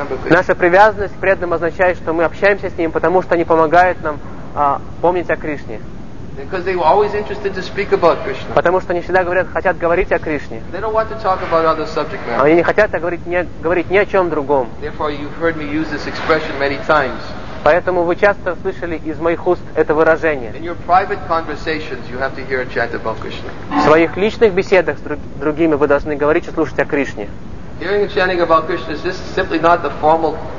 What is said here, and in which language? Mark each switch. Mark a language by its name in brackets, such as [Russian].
[Russian] Наша привязанность к преданным означает, что мы общаемся с ними, потому что они помогают нам помнить о Кришне. [English] Because they were always interested to speak about Krishna. [Russian] Потому что они всегда говорят, хотят говорить о Кришне. [English] They don't want to talk about other subject matter. [Russian] Они не хотят говорить ни о чем другом. [English] Therefore, you've heard me use this expression many times. [Russian] Поэтому вы часто слышали из моих уст это выражение. [English] In your private conversations, you have to hear a chant about Krishna. [Russian] В своих личных беседах с другими вы должны говорить и слушать о Кришне. [English] Hearing and chanting about Krishna is simply not the formal.